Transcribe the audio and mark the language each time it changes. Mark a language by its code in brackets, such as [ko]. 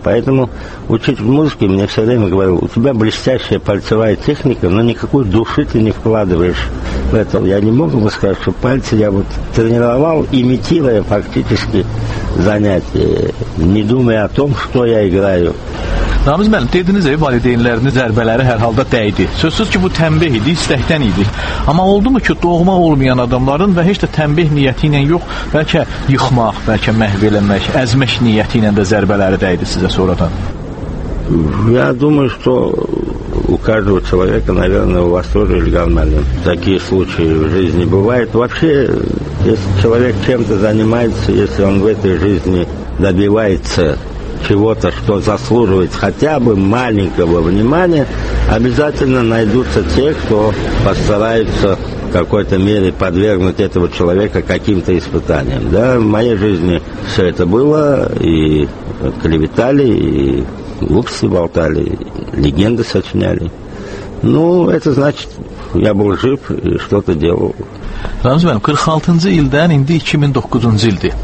[ru] Поэтому учитель музыки мне все время говорил, у тебя блестящая пальцевая техника, но никакой души ты не вкладываешь в это. Я не мог бы сказать, что пальцы я вот тренировал, имитируя фактически занятия, не думая о том, что я играю. [az] Ramiz müəllim, dediniz ki, valideynlərinin zərbələri hər halda dəydi. Sözsüz ki, bu tənbih idi, istəkdən idi. Amma oldumu ki, doğma olmayan adamların və heç də tənbih niyyəti ilə yox, bəlkə yıxmaq, bəlkə məhv eləmək, əzmək niyyəti ilə də zərbələri dəydi sizə sonradan? [ru] Я думаю, что у каждого человека, наверное, у вас тоже, Илья Гамалин, такие случаи в жизни бывают. Вообще, если человек чем-то занимается, если он в этой жизни добивается чего-то, что заслуживает хотя бы маленького внимания, обязательно найдутся те, кто постарается в какой-то мере подвергнуть этого человека каким-то испытаниям. Да, в моей жизни все это было, и клеветали, и глупости болтали, легенды сочиняли. Ну, это значит, я был жив и что-то делал. [az] Рамзи Бэм, 46-й ilden indi 2009-cu ildi.